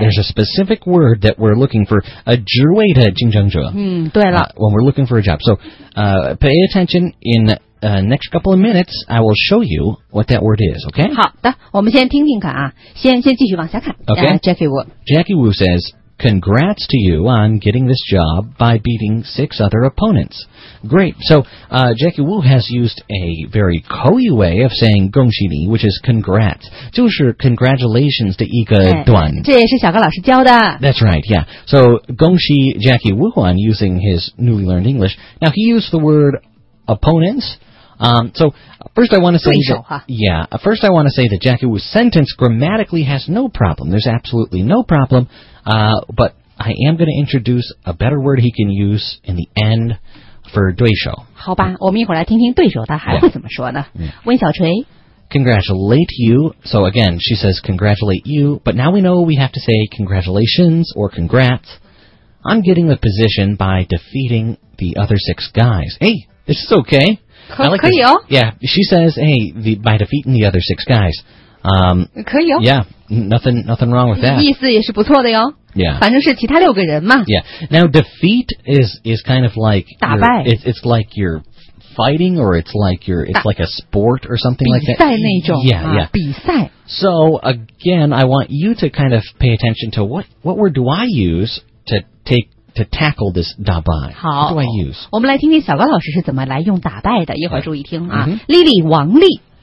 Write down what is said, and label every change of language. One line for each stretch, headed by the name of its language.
English: there's a specific word that we're looking for, a
Chinese: 职位的竞争者、嗯、对了、
English: when we're looking for a job. So、pay attention in the、next couple of minutes, I will show you what that word is, okay?
Chinese: 好的，我们先听听看啊，先继续往下看。
English: Okay,、 Jackie Wu. Jackie Wu says... Congrats to you on getting this job by beating six other opponents. Great. So,、Jackie Wu has used a very koyu way of saying
Chinese: 恭喜你
English: which is congrats.
Chinese: 就是 congratulations 的一个段。这也是小高老师教的。
English: That's right, yeah. So, 恭喜 Jackie Wu on using his newly learned English. Now, he used the word opponents. So, first I want to say, that Jackie Wu's sentence grammatically has no problem. There's absolutely no problem. But I am going to introduce a better word he can use in the end for 对手。
Chinese: 好吧，我们一会儿来听听对手他还会怎么说呢？
English: Yeah.
Chinese: 温小锤。
English: Congratulate you. So again, she says congratulate you. But now we know we have to say congratulations or congrats. I'm getting the position by defeating the other six guys. Hey, this is okay.
Chinese: 可以哦、
English: like、Yeah, she says, hey, by defeating the other six guys、
Chinese: 可以哦
English: Yeah, nothing wrong with that
Chinese: 意思也是不错的哟
English: Yeah
Chinese: 反正是其他六个人嘛
English: Yeah, now defeat is kind of like
Chinese: 打败
English: it's like you're fighting or it's like a sport or something like that
Chinese: 比赛那种
English: Yeah, yeah
Chinese: 比赛
English: So, again, I want you to kind of pay attention to what word do I use to takeTo tackle this 打败 How do I use?
Chinese: 我们来听听小高老师是怎么来用打败的一会儿注意听啊 Lily 王丽